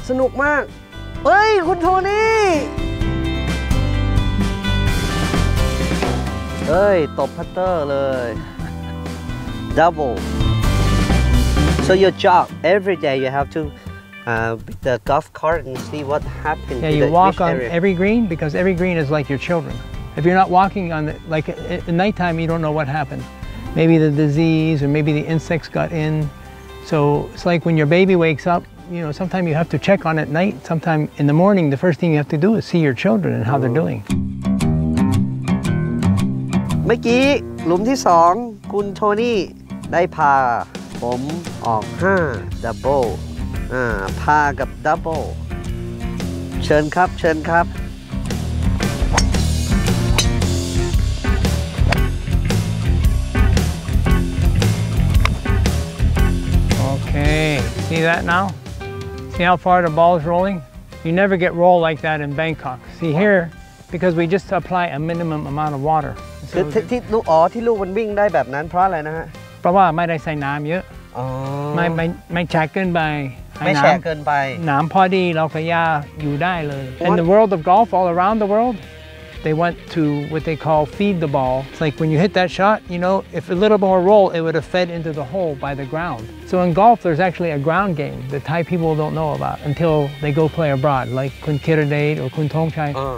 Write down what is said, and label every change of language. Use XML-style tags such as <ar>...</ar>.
<th>สนุกมากเฮ้ยคุณโทนี่เฮ้ยตบพัตเตอร์เลย</th> <en>double so your job every day you have to with the golf cart and see what happens yeah you walk on every green because every green is like your children if you're not walking on the, like at nighttime you don't know what happened maybe the disease or maybe the insects got in so it's like when your baby wakes upYou know, sometimes you have to check on at night. Sometimes in the morning, the first thing you have to do is see your children and how they're doing.</en> <th>เมื่อกี้หลุมที่สองคุณโทนี่ได้พาผมออก5 double พากับ double เชิญครับเชิญครับ</th> <en>โอเค see that now? See how far the ball is rolling? You never get roll like that in Bangkok. See here, because we just apply a minimum amount of water.</en> <th>ที่ลูกมันวิ่งได้แบบนั้นเพราะอะไรนะฮะ เพราะว่าไม่ได้ใส่น้ำเยอะไม่แฉะเกินไป ไม่แฉะเกินไป น้ำพอดีเราก็ย่าอยู่ได้เลย</th> <en>And the world of golf all around the world, they went to what they call feed the ball. It's like when you hit that shot, you know, if a little more roll, it would have fed into the hole by the ground. So in golf, there's actually a ground game that Thai people don't know about until they go play abroad, like Khun Kiradate or Khun Thong Chai.</en>